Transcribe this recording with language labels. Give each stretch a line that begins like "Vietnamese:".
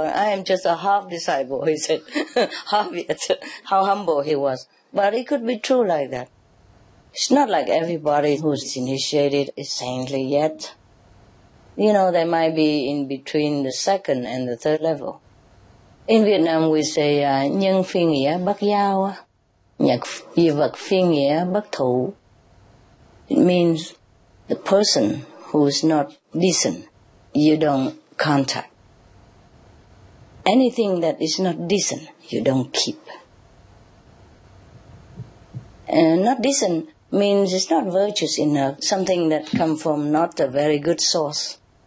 English: And I am just a half disciple, he said. Half yet. How humble he was. But it could be true like that. It's not like everybody who's initiated is saintly yet. You know, they might be in between the second and the third level.
Vietnamese: In Vietnam, we say, Nhân phi nghĩa bất giao, Nhật di vật phi nghĩa bất thủ.
English: It means the person who is not decent, you don't contact. Anything that is not decent, you don't keep. Not decent means it's not virtuous enough, something that comes from not a very good source.